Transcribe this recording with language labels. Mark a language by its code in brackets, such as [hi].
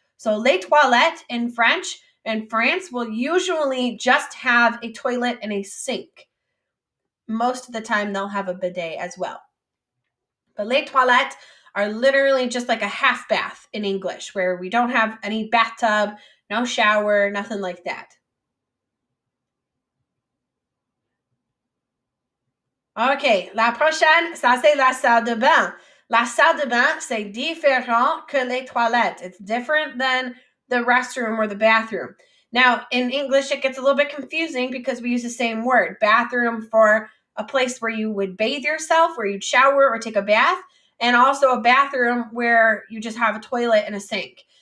[en] So, les toilettes in French and France will usually just have a toilet and a sink. Most of the time, they'll have a bidet as well. But les toilettes are literally just like a half bath in English, where we don't have any bathtub, no shower, nothing like that. [fr] Okay, la prochaine, ça c'est la salle de bain. La salle de bain, c'est différent que les toilettes. [en] It's different than the restroom or the bathroom. Now, in English, it gets a little bit confusing because we use the same word, bathroom, for a place where you would bathe yourself, where you'd shower or take a bath, and also a bathroom where you just have a toilet and a sink.